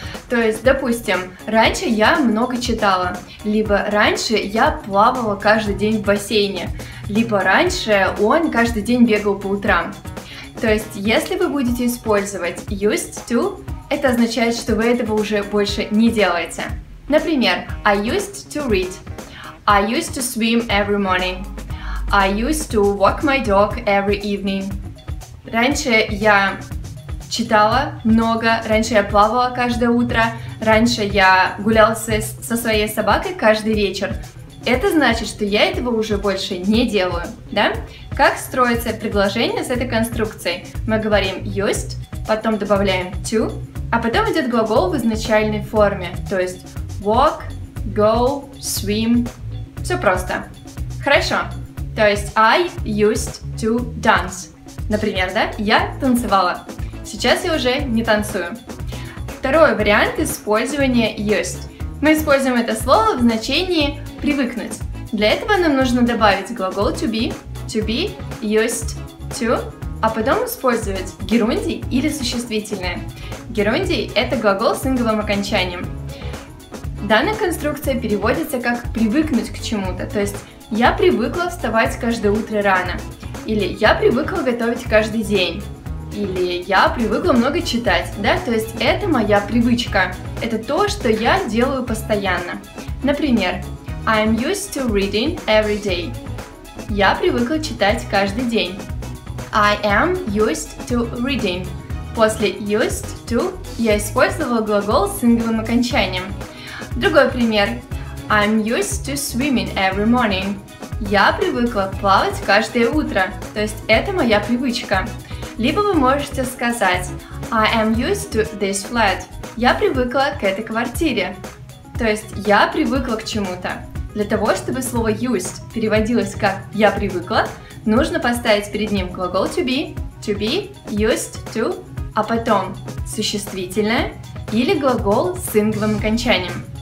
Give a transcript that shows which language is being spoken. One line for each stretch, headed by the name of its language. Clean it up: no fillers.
Russian: То есть, допустим, раньше я много читала, либо раньше я плавала каждый день в бассейне, либо раньше он каждый день бегал по утрам. То есть, если вы будете использовать used to, это означает, что вы этого уже больше не делаете. Например,
English: I used to read, I used to swim every morning, I used to walk my dog every evening.
Russian: Раньше я читала много, раньше я плавала каждое утро, раньше я гуляла со своей собакой каждый вечер. Это значит, что я этого уже больше не делаю, да? Как строится предложение с этой конструкцией? Мы говорим used, потом добавляем to, а потом идет глагол в изначальной форме, то есть walk, go, swim, все просто. Хорошо, то есть
English: I used to dance.
Russian: Например, да, я танцевала. Сейчас я уже не танцую. Второй вариант использования used. Мы используем это слово в значении привыкнуть. Для этого нам нужно добавить глагол to be, used to, а потом использовать герундий или существительное. Герундий – это глагол с инговым окончанием. Данная конструкция переводится как привыкнуть к чему-то, то есть я привыкла вставать каждое утро рано. Или я привыкла готовить каждый день. Или я привыкла много читать, да? То есть это моя привычка. Это то, что я делаю постоянно. Например,
English: I'm used to reading every day.
Russian: Я привыкла читать каждый день.
English: I am used to reading.
Russian: После used to я использовала глагол с инговым окончанием. Другой пример.
English: I'm used to swimming every morning.
Russian: Я привыкла плавать каждое утро, то есть это моя привычка. Либо вы можете сказать
English: I am used to this flat.
Russian: Я привыкла к этой квартире. То есть я привыкла к чему-то. Для того, чтобы слово used переводилось как я привыкла, нужно поставить перед ним глагол to be, used to, а потом существительное или глагол с инговым окончанием.